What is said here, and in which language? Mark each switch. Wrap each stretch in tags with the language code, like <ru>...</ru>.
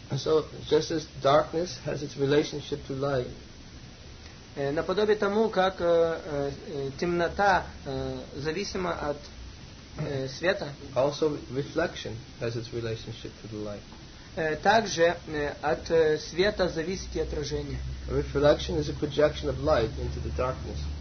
<en>So just as darkness has its relationship to light.</en> <ru>Наподобие тому, как темнота зависима от света.</ru> <en>Also, reflection has its relationship to the light.</en> <ru>Также от света зависит и отражение.</ru> <en>Reflection is a projection of light into the darkness.</en>